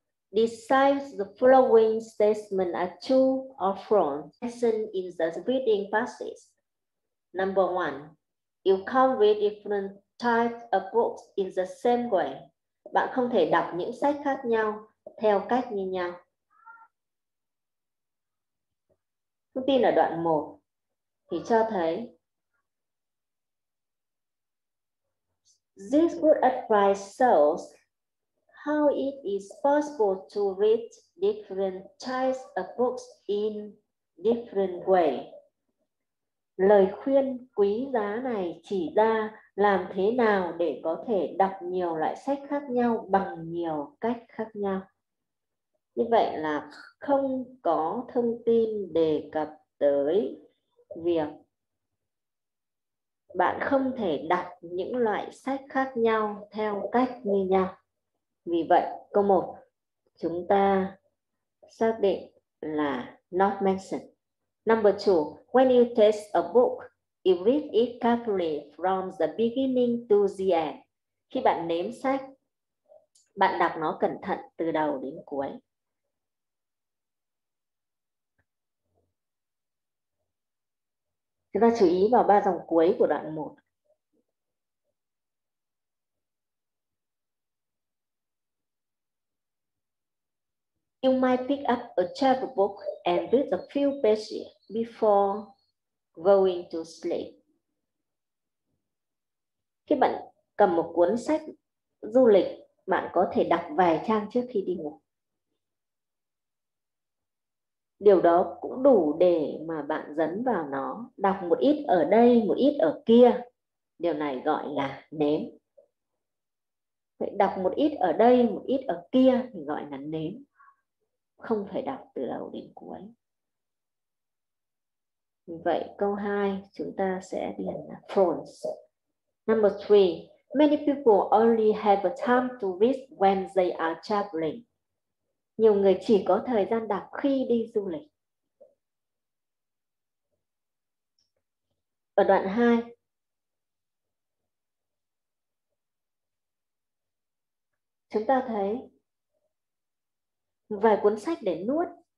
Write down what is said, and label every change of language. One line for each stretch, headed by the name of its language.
English: Decide the following statements are true or false in the reading passage. Number one, you can't read different types of books in the same way.
Vietnamese: Bạn không thể đọc những sách khác nhau theo cách như nhau. Thông tin ở đoạn 1 thì cho thấy
English: this good advice shows how it is possible to read different types of books in different way.
Vietnamese: Lời khuyên quý giá này chỉ ra làm thế nào để có thể đọc nhiều loại sách khác nhau bằng nhiều cách khác nhau. Như vậy là không có thông tin đề cập tới việc bạn không thể đọc những loại sách khác nhau theo cách như nhau. Vì vậy, câu 1, chúng ta xác định là not mentioned.
English: Number 2, when you test a book, you read it carefully from the beginning to the end.
Vietnamese: Khi bạn nếm sách, bạn đọc nó cẩn thận từ đầu đến cuối. Chúng ta chú ý vào ba dòng cuối của đoạn 1.
English: You might pick up a chapter book and read a few pages before going to sleep.
Vietnamese: Khi bạn cầm một cuốn sách du lịch, bạn có thể đọc vài trang trước khi đi ngủ. Điều đó cũng đủ để mà bạn dấn vào nó, đọc một ít ở đây, một ít ở kia. Điều này gọi là nếm. Vậy đọc một ít ở đây, một ít ở kia thì gọi là nếm. Không phải đọc từ đầu đến cuối. Vậy câu 2 chúng ta sẽ điền là false. Number 3.
English: Many people only have a time to read when they are traveling.
Vietnamese: Nhiều người chỉ có thời gian đọc khi đi du lịch. Ở đoạn 2. Chúng ta thấy vài cuốn sách để nuốt.